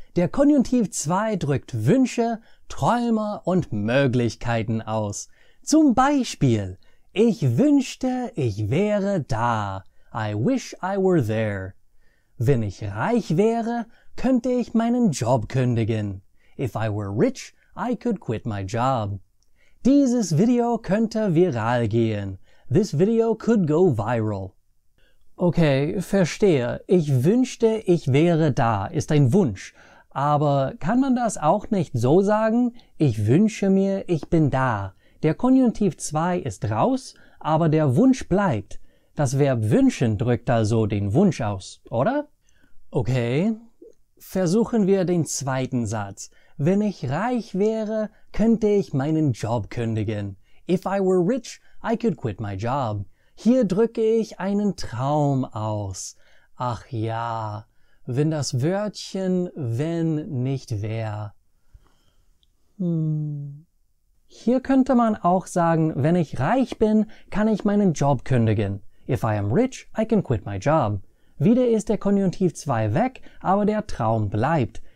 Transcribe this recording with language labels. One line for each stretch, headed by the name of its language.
German: Der Konjunktiv 2 drückt Wünsche, Träume und Möglichkeiten aus. Zum Beispiel, ich wünschte, ich wäre da.
English: I wish I were there.
German: Wenn ich reich wäre, könnte ich meinen Job kündigen.
English: If I were rich, I could quit my job.
German: Dieses Video könnte viral gehen.
English: This video could go viral.
German: Okay, verstehe. Ich wünschte, ich wäre da, ist ein Wunsch. Aber kann man das auch nicht so sagen? Ich wünsche mir, ich bin da. Der Konjunktiv 2 ist raus, aber der Wunsch bleibt. Das Verb wünschen drückt also den Wunsch aus, oder? Okay, versuchen wir den zweiten Satz. Wenn ich reich wäre, könnte ich meinen Job kündigen.
English: If I were rich, I could quit my job.
German: Hier drücke ich einen Traum aus. Ach ja, wenn das Wörtchen wenn nicht wär. Hier könnte man auch sagen, wenn ich reich bin, kann ich meinen Job kündigen.
English: If I am rich, I can quit my job.
German: Wieder ist der Konjunktiv 2 weg, aber der Traum bleibt.